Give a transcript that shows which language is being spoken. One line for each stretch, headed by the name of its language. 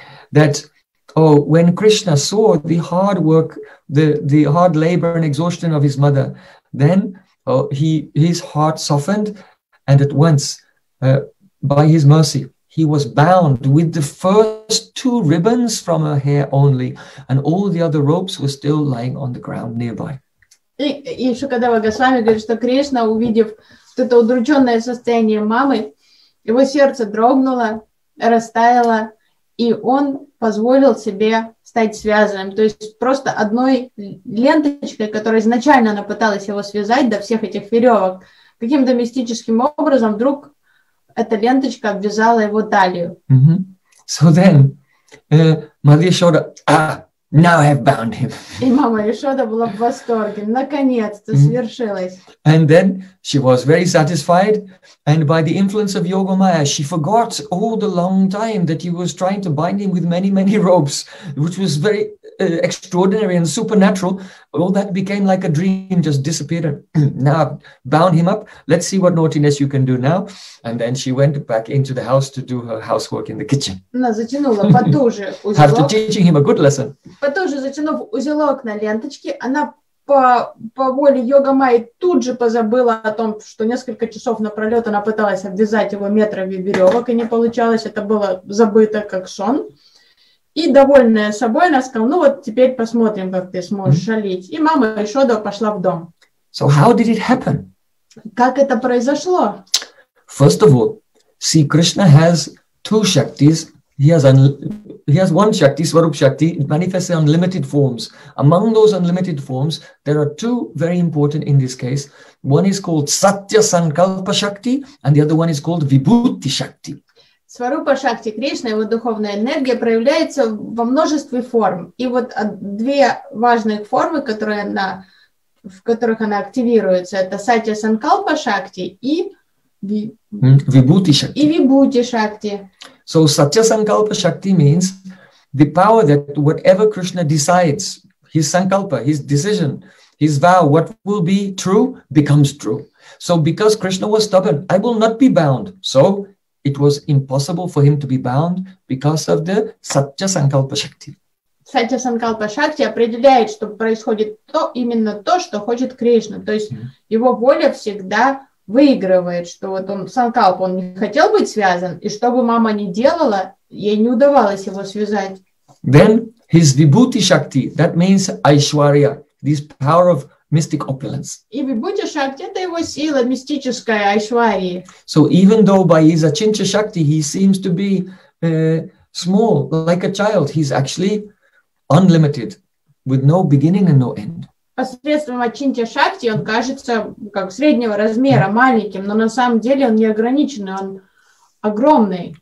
English: That, oh, when Krishna saw the hard work, the hard labor and exhaustion of his mother, then his heart softened, and at once, by his mercy, he was bound with the first two ribbons from her hair only, and all the other ropes were still lying on the ground nearby.
Russian: И Шукадева Госвами говорит, что Кришна, увидев это удрученное состояние мамы, его сердце дрогнуло, растаяло, и он позволил себе стать связанным. То есть просто одной ленточкой, которая изначально она пыталась его связать до всех этих веревок, каким-то мистическим образом вдруг эта ленточка обвязала его талию. Mm-hmm.
English: So then, Mother Yashoda, now I have bound him.
Russian: И мама Ишода была в восторге. Наконец-то свершилось.
English: And then she was very satisfied. And by the influence of Yoga Maya, she forgot all the long time that he was trying to bind him with many, many ropes, which was very extraordinary and supernatural. All that became like a dream, just disappeared. Now I've bound him up. Let's see what naughtiness you can do now. And then she went back into the house to do her housework in the kitchen.
Russian: Она затянула потуже узелок.
English: After teaching him a good lesson.
Russian: Потуже затянув узелок на ленточке, она по воле Йога Майи тут же позабыла о том, что несколько часов напролет она пыталась обвязать его метрами веревок, и не получалось. Это было забыто, как сон. И, довольная собой, она сказала, ну вот теперь посмотрим, как ты сможешь шалить. И мама Ишода пошла в дом.
English: So how did it happen?
Russian: Как это произошло?
English: First of all, see, Krishna has two shaktis. He has one shakti, Swarup Shakti. It manifests in unlimited forms. Among those unlimited forms, there are two very important in this case. One is called Satya Sankalpa Shakti, and the other one is called Vibhuti Shakti.
Russian: Сварупа Шакти Кришна, его духовная энергия, проявляется во множестве форм. И вот две важные формы, в которых она активируется, это Сатья Санкалпа Шакти и Вибхути Шакти. И Вибхути Шакти.
English: So Сатья Санкалпа Шакти means the power that whatever Krishna decides, his sankalpa, his decision, his vow, what will be true, becomes true. So because Krishna was stubborn, I will not be bound. So it was impossible for him to be bound because of the Satya Sankalpa Shakti.
Russian: Satya Sankalpa Shakti определяет, что происходит то, именно то, что хочет Кришна. То есть его воля всегда выигрывает, что вот он, Санкалпа, он не хотел быть связан, и что бы мама ни делала, ей не удавалось его связать.
English: Then his Vibhuti Shakti, that means Aishwarya, this power of mystic opulence.
Russian: И вы будете шакти, это его сила мистическая, айшварии.
English: So even though by his achincha shakti he seems to be small, like a child, he's actually unlimited, with no beginning and no end.
Russian: Посредством Ачинтья Шакти он кажется как среднего размера, маленьким, но на самом деле он неограниченный, он огромный.